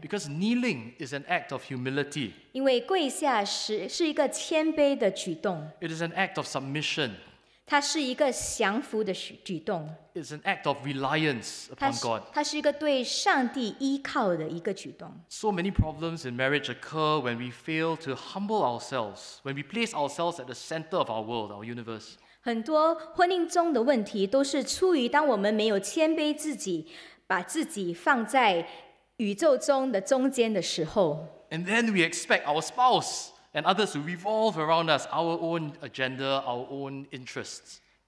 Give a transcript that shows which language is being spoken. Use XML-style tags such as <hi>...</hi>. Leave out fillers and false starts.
<en>Because kneeling is an act of humility.</en> <zh>因为跪下是一个谦卑的举动。</zh> <en>It is an act of submission.</en> <zh>它是一个降服的举动。</zh> <en>It's an act of reliance upon God.</en> <zh>它是一个对上帝依靠的一个举动。</zh> <en>So many problems in marriage occur when we fail to humble ourselves, when we place ourselves at the center of our world, our universe.</en> <zh>很多婚姻中的问题都是出于当我们没有谦卑自己，把自己放在宇宙中的中间的时候。</zh> <en>And then we expect our spouse and others to revolve around us, our own agenda, our own interests.</en>